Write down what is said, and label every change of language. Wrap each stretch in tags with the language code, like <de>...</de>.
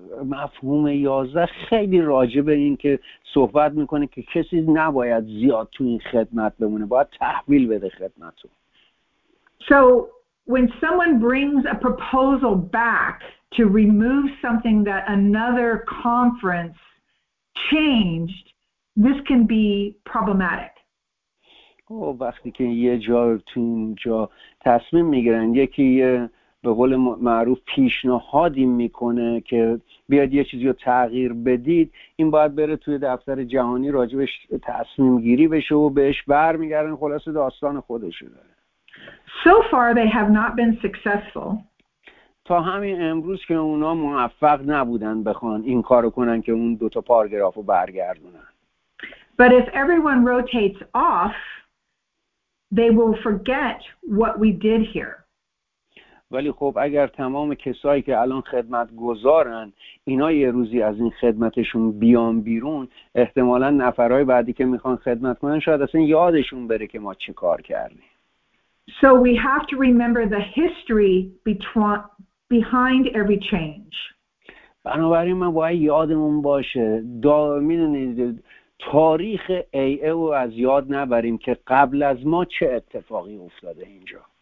<fa>مفهوم 11 خیلی راجع به این که صحبت میکنه که کسی نباید زیاد تو این خدمت بمونه، باید تحویل بده خدمتو.</fa> <en>So when someone brings a proposal back to remove something that another conference changed, this can be problematic.</en> <fa>او وقتی که یه جا تو اینجا تصمیم میگیرن یکی به قول معروف پیشنهادی میکنه که بیاد یه چیزی رو تغییر بدید، این باید بره توی دفتر جهانی راجبش تصمیم گیری بشه و بهش بر میگردن. خلاصه داستان خودشو داره.</fa> <en>So far they have not been successful.</en> <fa>تا همین امروز که اونا موفق نبودن بخوان این کار رو کنن که اون دوتا پاراگراف رو برگردونن.</fa> <en>But if everyone rotates off, they will forget what we did here.</en> <fa>ولی خب اگر تمام کسایی که الان خدمت گذارن اینا یه روزی از این خدمتشون بیان بیرون، احتمالاً نفرهای بعدی که میخوان خدمت کنن شاید اصلا یادشون بره که ما چی کار کردیم.</fa> <en>So we have to remember the history behind every change.</en> <fa>بنابراین ما باید یادمون باشه میدونید تاریخ AA رو از یاد نبریم که قبل از ما چه اتفاقی افتاده اینجا.</fa>